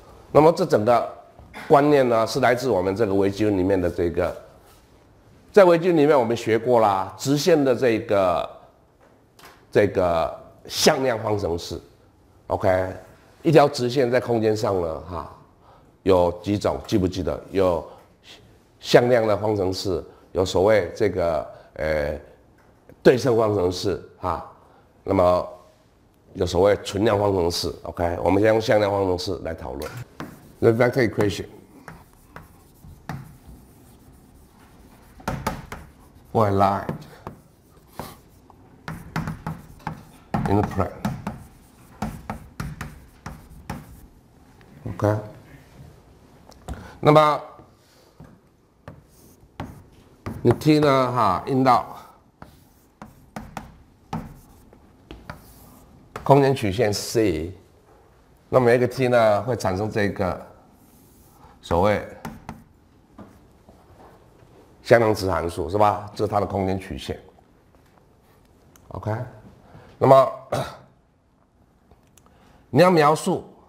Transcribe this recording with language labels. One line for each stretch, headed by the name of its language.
Chinese: 那么这整个观念呢是来自我们这个微积分里面的这个，在微积分里面我们学过啦，直线的这个向量方程式 ，OK， 一条直线在空间上呢，哈。有几种记不记得？有向量的方程式，有所谓这个对称方程式啊，那么有所谓存量方程式。 OK， 我们先用向量方程式来讨论。
English: The vector equation for a line in the plane. OK。
Chinese: 那么你 T 呢哈应到空间曲线 C， 那么一个 T 呢会产生这个所谓向量值函数是吧，这是它的空间曲线 OK。 那么你要描述